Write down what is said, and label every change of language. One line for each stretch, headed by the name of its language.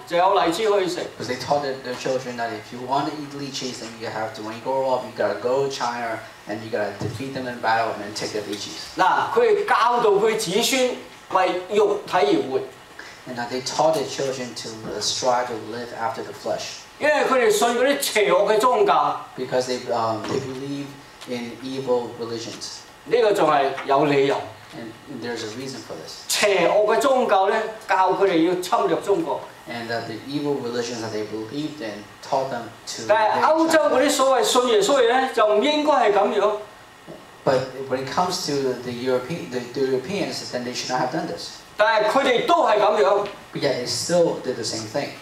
English: Because they taught their children that if you want to eat lychees, then you have to, when you grow up, you gotta go to China, and you gotta defeat them in battle, and then take their lychees.
Chinese: 那,他教导他子孙,为肉体而活。
English: And that they taught their children to strive to live after the flesh.
Chinese: 因为他们信那些邪恶的宗教。
English: Because they believe in evil religions.
Chinese: 这个还有理由。
English: And there's a reason for this.
Chinese: 邪恶的宗教呢,教他们要侵略中国。
English: And that the evil religions that they believed in taught them to.
Chinese: 但欧洲那些所谓信耶稣的人,就不应该是这样。
English: But when it comes to the Europeans, then they should not have done this.
Chinese: 但他们都是这样。
English: But yet they still did the same thing.